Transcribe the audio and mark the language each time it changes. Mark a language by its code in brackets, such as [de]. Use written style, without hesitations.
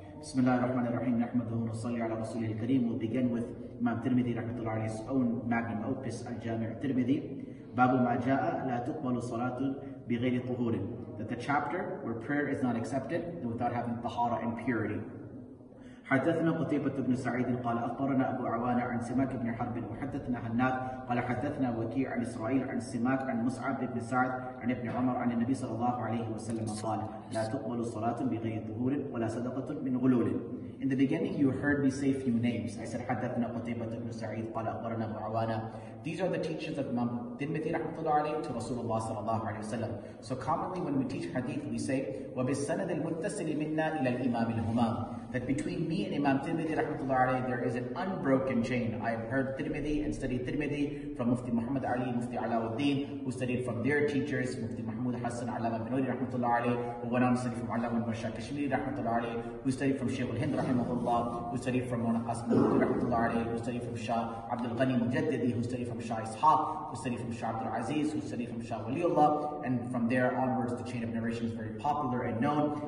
[en] Bismillah ar-Rahman ar-Rahim, nahmaduhu wa salli ala rasulihil kareem. We'll begin with Imam Tirmidhi rahmatullahi alayhi's own magnum opus, Al-Jami' al-Tirmidhi. Babu ma'ja'a la tuqbalu salatu bi ghayri tuhurin, that the chapter where prayer is not accepted without having tahara and purity. [ar] حدثنا قتيبة بن سعيد قال أخبرنا أبو عوانة عن سماك بن حرب وحدثنا هناد قال حدثنا وكيع عن إسرائيل عن سماك عن مصعب بن سعد عن ابن عمر عن النبي صلى الله عليه وسلم قال لا تقبل صلاة بغير ظهور ولا صدقة من غلول. [en] In the beginning, you heard me say a few names. [ar] I said, حدثنا قتيبة بن سعيد قال أخبرنا أبو عوانة. [en] These are the teachings of Imam Tirmidhi rahmatullahi alayhi to Rasulullah sallallahu alayhi wa sallam. So commonly when we teach hadith, we say, وَبِالسَّنَدِ الْمُتَّسِلِ مِنَّا إِلَى الْإِمَامِ الْهُمَامِ, that between me and Imam Tirmidhi rahmatullahi alayhi, there is an unbroken chain. I have heard Tirmidhi and studied Tirmidhi from Mufti Muhammad Ali, Mufti Alauddin, who studied from their teachers, Mufti Mahmud Hassan Allama bin Uri rahmatullahi alayhi, who went on to study from Allama bin Shah Kashmiri rahmatullahi alayhi, who studied from Shaykh al-Hind rahimahullah, who studied from Mawlana Qasim al-Mukti rahmatullahi alayhi, who studied from Shah Abdul Ghani Mujaddidi, who studied from Shah Ishaq, who studied from Shah Abdul Aziz, who studied from Shah Waliullah, and from there onwards, the chain of narration is very popular and known.